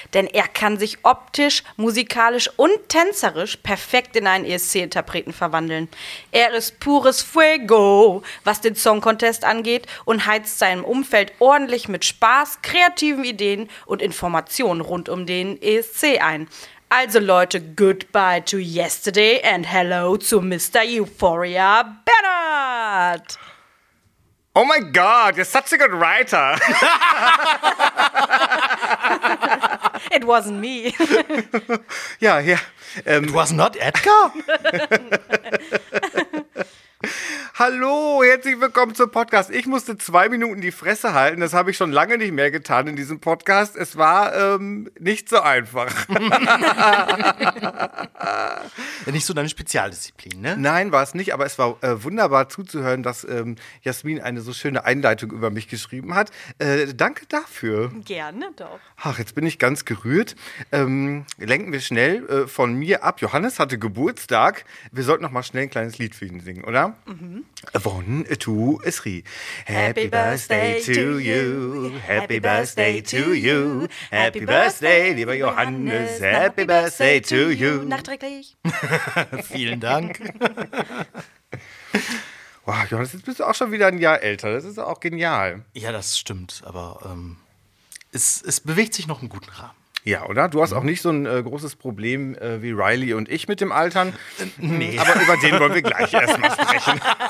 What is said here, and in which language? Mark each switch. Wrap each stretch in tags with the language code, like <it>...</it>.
<de>Denn er kann sich optisch, musikalisch und tänzerisch perfekt in einen ESC-Interpreten verwandeln. Er ist pures Fuego, was den Song Contest angeht, und heizt seinem Umfeld ordentlich mit Spaß, kreativen Ideen und Informationen rund um den ESC ein. Also Leute,</de> <en>goodbye to yesterday and hello to Mr.</en> <de>Euphoria Bernhard.</de> <en>Oh my God, you're such a good writer. It wasn't me. Yeah. It was not Edgar.</en> <de>Hallo, herzlich willkommen zum Podcast. Ich musste 2 Minuten die Fresse halten, das habe ich schon lange nicht mehr getan in diesem Podcast. Es war nicht so einfach. Nicht so deine Spezialdisziplin, ne? Nein, war es nicht, aber es war wunderbar zuzuhören, dass Jasmin eine so schöne Einleitung über mich geschrieben hat. Danke dafür. Gerne doch. Ach, jetzt bin ich ganz gerührt. Lenken wir schnell von mir ab. Johannes hatte Geburtstag. Wir sollten noch mal schnell ein kleines Lied für ihn singen, oder? Von to Esri.</de> <en>Happy birthday to you, happy birthday to you, happy birthday,</en> <de>lieber</de> <en>Johannes, happy birthday to you.</en> <de>Nachträglich. Vielen Dank. Wow, Johannes, jetzt bist du auch schon wieder ein Jahr älter, das ist auch genial. Ja, das stimmt, aber es bewegt sich noch im guten Rahmen. Ja, oder? Du hast auch nicht so ein großes Problem wie Riley und ich mit dem Altern. Nee. Aber über den wollen wir gleich erstmal sprechen.</de>